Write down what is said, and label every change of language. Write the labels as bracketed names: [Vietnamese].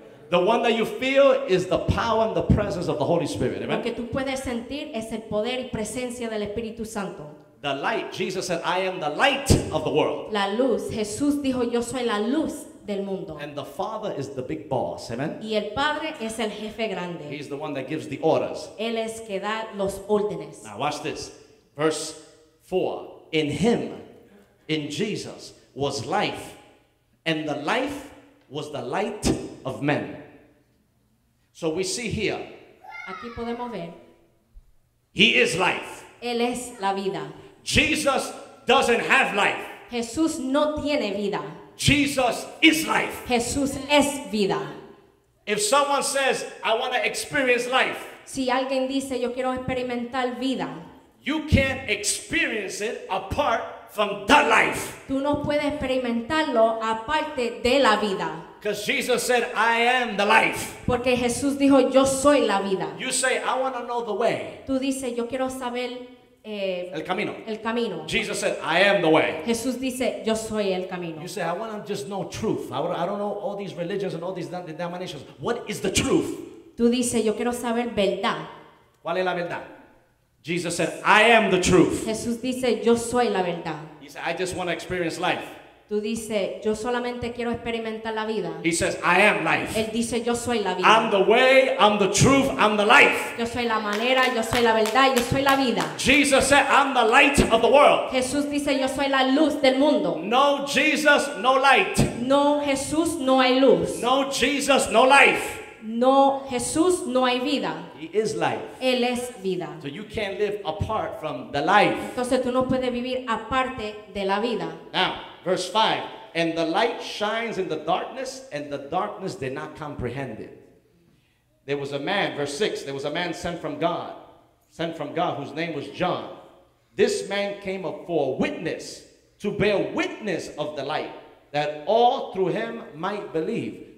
[English] The one that you feel is the power and the presence of the Holy Spirit. Amen. [Spanish] Lo que tú puedes sentir es el poder y presencia del Espíritu Santo. [English] The light. Jesus said, I am the light of the world. [Spanish] La luz. Jesús dijo, yo soy la luz del mundo. [English] And the Father is the big boss. Amen. [Spanish] Y el Padre es el jefe grande. [English] He's the one that gives the orders. [Spanish] Él es que da los órdenes. [English] Now watch this. Verse 4. In him, in Jesus, was life, and the life was the light of men. So we see here, [Spanish] aquí podemos ver, [English] he is life. [Spanish] Él es la vida. [English] Jesus doesn't have life. [Spanish] Jesús no tiene vida. [English] Jesus is life. [Spanish] Jesús es vida. [English] If someone says, I want to experience life, [Spanish] si alguien dice, yo quiero experimentar vida, [English] you can't experience it apart from the life. [Spanish] Tú no puedes experimentarlo aparte de la vida. [English] Because Jesus said, I am the life. [Spanish] Porque Jesús dijo, yo soy la vida. [English] You say, I want to know the way. [Spanish] Tú dices, yo quiero saber el camino. El camino. [English] Jesus said, I am the way. [Spanish] Jesús dice, yo soy el camino. [English] You say, I want to just know truth. I don't know all these religions and all these denominations. What is the truth? [Spanish] Tú dices, yo quiero saber verdad. ¿Cuál es la verdad? [English] Jesus said, I am the truth. [Spanish] Jesús dice, yo soy la verdad. [English] He said, I just want to experience life. [Spanish] Tú dices, yo solamente quiero experimentar la vida. [English] He says, I am life. [Spanish] Él dice, yo soy la vida. [English] I'm the way, I'm the truth, I'm the life. [Spanish] Yo soy la manera, yo soy la verdad, yo soy la vida. [English] Jesus said, I'm the light of the world. [Spanish] Jesús dice, yo soy la luz del mundo. [English] No Jesus, no light. [Spanish] No Jesús, no hay luz. [English] No Jesus, no life. [Spanish] No Jesús, no hay vida. [English] He is life. [Spanish] Él es vida. [English] So you can't live apart from the life. [Spanish] Entonces tú no puedes vivir aparte de la vida. [English] Now, verse 5. And the light shines in the darkness, and the darkness did not comprehend it. There was a man, verse 6. There was a man sent from God, whose name was John. This man came up for a witness, to bear witness of the light, that all through him might believe.